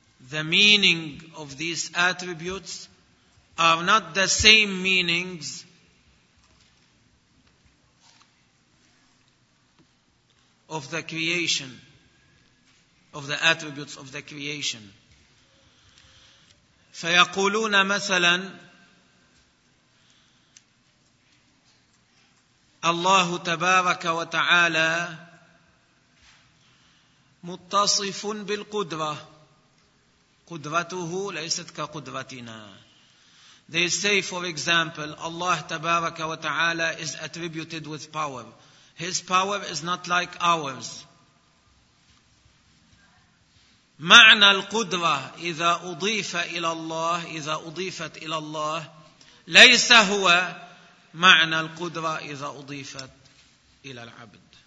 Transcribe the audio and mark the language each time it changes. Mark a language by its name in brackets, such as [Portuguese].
[English] The meaning of these attributes are not the same meanings of the creation, of the attributes of the creation. [Arabic] فيقولون مثلا الله تبارك وتعالى متصف بالقدرة، قدرته ليست كقدرتنا. [English] They say, for example, Allah [Arabic] تبارك وتعالى [English] is attributed with power. His power is not like ours. [Arabic] معنى القدرة إذا أضيف إلى الله، إذا أضيفت إلى الله، ليس هو معنى القدرة إذا أضيفت إلى العبد.